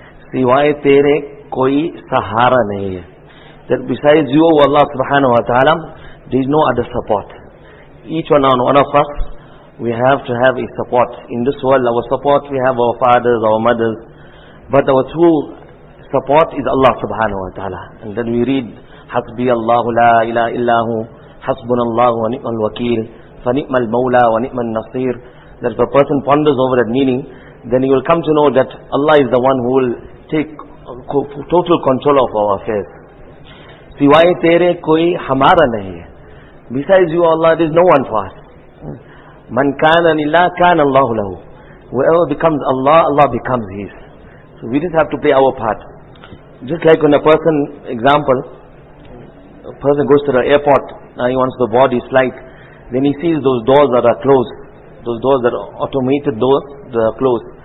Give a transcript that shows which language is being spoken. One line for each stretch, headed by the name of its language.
Urdu: سوائے تیرے کوئی سہارا نہیں ہے.
English: That besides you, O Allah subhanahu wa ta'ala, there is no other support. Each one of us, we have to have a support. In this world, our support, we have our fathers, our mothers. But our true support is Allah subhanahu wa ta'ala. And then we read,
Arabic: حَسْبِي اللَّهُ لَا إِلَٰهَ إِلَّا هُوَ حَسْبُنَ اللَّهُ وَنِعْمَ الْوَكِيلُ فَنِعْمَ الْمَوْلَى وَنِعْمَ النَّصِيرُ.
English: That if a person ponders over that meaning, then he will come to know that Allah is the one who will take total control of our affairs.
Urdu: سوائے تیرے کوئی ہمارا نہیں ہے.
English: Besides you, Allah, there is no one for us.
Arabic: من كان لله كان الله له.
English: Whoever becomes Allah, Allah becomes his. So we just have to play our part. Just like when a person, example, a person goes to the airport, now he wants to board his flight, then he sees those doors that are closed, those doors that are automated doors that are closed.